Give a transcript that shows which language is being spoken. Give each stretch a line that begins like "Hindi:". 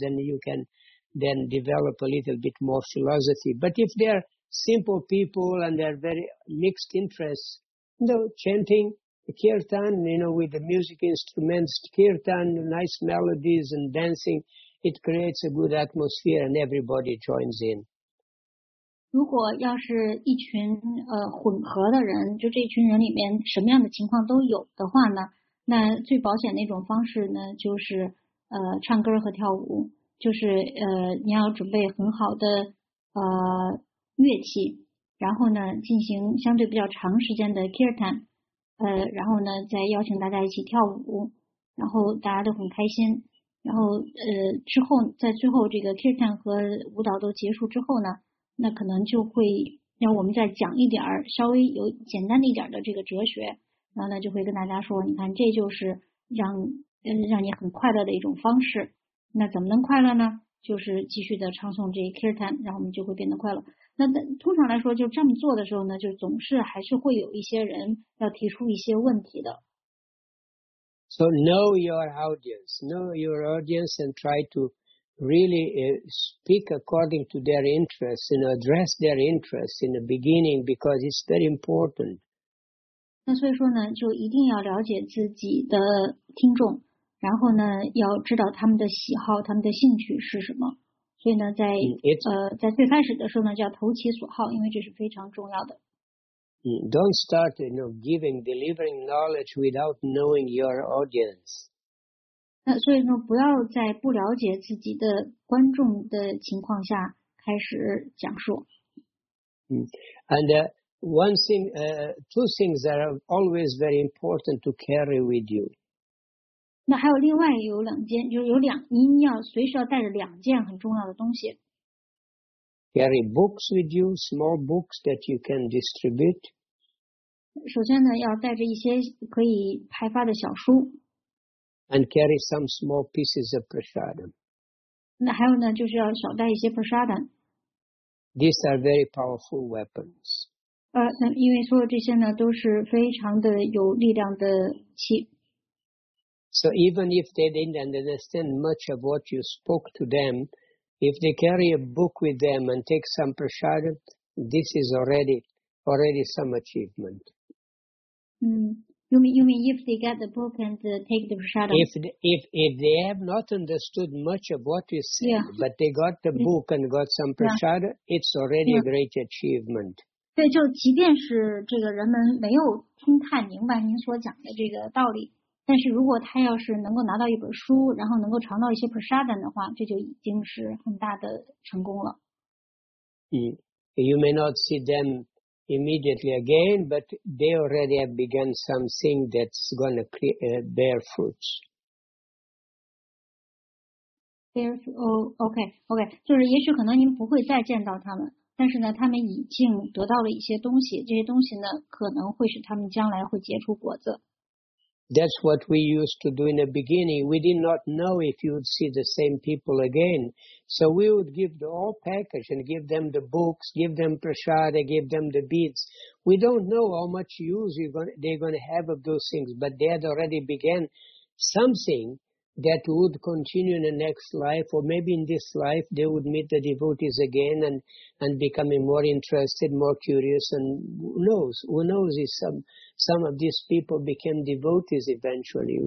English: Then you can then develop a little bit more philosophy. But if they're simple people and they're very mixed interests, chanting the kirtan, with the music instruments, kirtan, nice melodies and dancing, it creates a good atmosphere and everybody joins in.
Chinese: 如果要是一群混合的人，就这群人里面什么样的情况都有的话呢，那最保险的一种方式呢就是唱歌和跳舞，就是你要准备很好的乐器，然后呢进行相对比较长时间的 kirtan， 然后呢再邀请大家一起跳舞，然后大家都很开心。然后之后在最后这个 kirtan 和舞蹈都结束之后呢，那可能就会让我们再讲一点稍微有简单的一点的这个哲学，然后呢就会跟大家说，你看这就是让你很快乐的一种方式。那怎么能快乐呢？就是继续的唱诵这一 kirtan， 然后我们就会变得快乐。那通常来说就这么做的时候呢，就总是还是会有一些人要提出一些问题的。
English: So know your audience, know your audience and try to really speak according to their interests and address their interests in the beginning because it's very important.
Chinese: 那所以说呢，就一定要了解自己的听众，然后呢要知道他们的喜好，他们的兴趣是什么。所以呢在在最开始的时候呢叫投其所好，因为这是非常重要的。
English: Don't start, you know, giving, delivering knowledge without knowing your audience.
Chinese: 那所以呢不要在不了解自己的观众的情况下开始讲述。
English: And two things that are always very important to carry with you.
Chinese: 那还有另外有两件，就是有两，您要随时要带着两件很重要的东西。
English: Carry books with you, small books that you can distribute.
Chinese: 首先呢，要带着一些可以派发的小书。
English: And carry some small pieces of prasadam.
Chinese: 那还有呢，就是要少带一些 prasadam.
English: These are very powerful weapons.
Chinese: 因为所有这些呢，都是非常的有力量的器。
English: So even if they didn't understand much of what you spoke to them, if they carry a book with them and take some prasadam, this is already some achievement. You mean if they get the book and take the prasadam? If they have not understood much of what you said, yeah. But they got the book and got some prasadam, yeah. It's already yeah. A great achievement.
Chinese: 对，就即便是这个人们没有听太明白您所讲的这个道理。但是如果他要是能够拿到一本书，然后能够尝到一些 prasadam 的话，这就已经是很大的成功了。
English: You may not see them immediately again, but they already have begun something that's going to bear fruits. Okay.
Chinese: 就是也许可能您不会再见到他们，但是呢，他们已经得到了一些东西，这些东西呢，可能会使他们将来会结出果子。
English: That's what we used to do in the beginning. We did not know if you would see the same people again. So we would give the whole package and give them the books, give them prasad, give them the beads. We don't know how much use they're going to have of those things, but they had already begun something that would continue in the next life, or maybe in this life they would meet the devotees again and becoming more interested, more curious, and who knows if some of these people became devotees eventually.